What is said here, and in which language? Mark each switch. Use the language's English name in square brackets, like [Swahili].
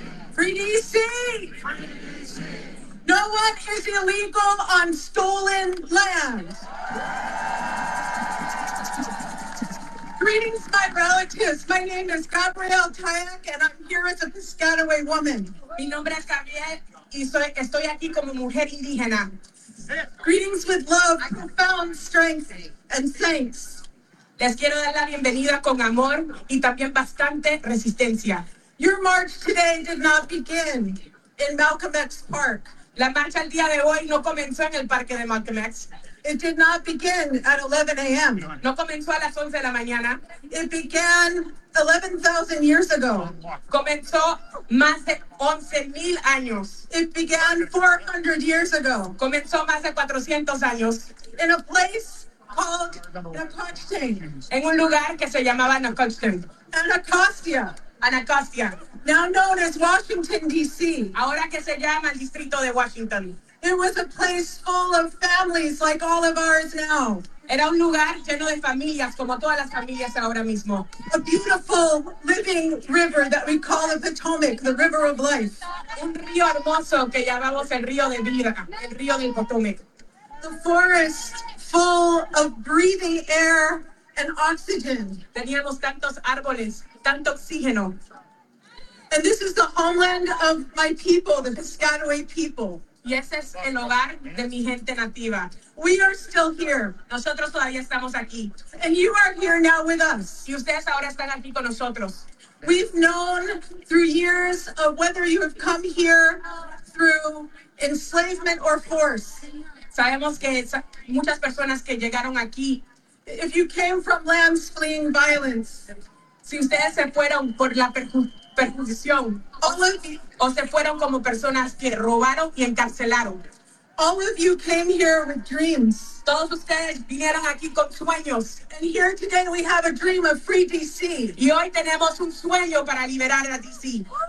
[English] Free D.C. No one is illegal on stolen land. Greetings, my relatives. My name is Gabrielle Tyak, and I'm here as a Piscataway woman. [Spanish] Mi nombre es Gabrielle, y soy, estoy aquí como mujer indígena. [English] Greetings with love, profound strength, and thanks. [Spanish] Les quiero dar la bienvenida con amor y también bastante resistencia. [English] Your march today did not begin in Malcolm X Park. [Spanish] La marcha el día de hoy no comenzó en el parque de Malcolm X. [English] It did not begin at 11 a.m. [Spanish] No comenzó a las 11 de la mañana. [English] It began 11,000 years ago. [Spanish] Comenzó más de 11,000 años. [English] It began 400 years ago. [Spanish] Comenzó más de 400 años. [English] In a place called Nacogdoches. [Spanish] En un lugar que se llamaba Nacogdoches. [English] Anacostia. [Spanish] Anacostia. [English] Now known as Washington, D.C. [Spanish] Ahora que se llama el Distrito de Washington. [English] It was a place full of families like all of ours now. [Spanish] Era un lugar lleno de familias como todas las familias ahora mismo. [English] A beautiful living river that we call the Potomac, the river of life. [Spanish] Un río hermoso que llamamos el río de vida, el río del Potomac. [English] The forest full of breathing air and oxygen. [Spanish] Teníamos tantos árboles, tanto oxígeno. [English] And this is the homeland of my people, the Piscataway people. [Spanish] Y ese es el hogar de mi gente nativa. [English] We are still here. [Spanish] Nosotros todavía estamos aquí. [English] And you are here now with us. [Spanish] Y ustedes ahora están aquí con nosotros. [English] We've known through years of whether you have come here through enslavement or force. [Spanish] Sabemos que muchas personas que llegaron aquí. [English] If you came from lands fleeing violence. [Spanish] Si ustedes se fueron por la perjudición. O se fueron como personas que robaron y encarcelaron. [English] All of you came here with dreams. [Spanish] Todos ustedes vinieron aquí con sueños. [English] And here today we have a dream of free DC. [Spanish] Y hoy tenemos un sueño para liberar a DC.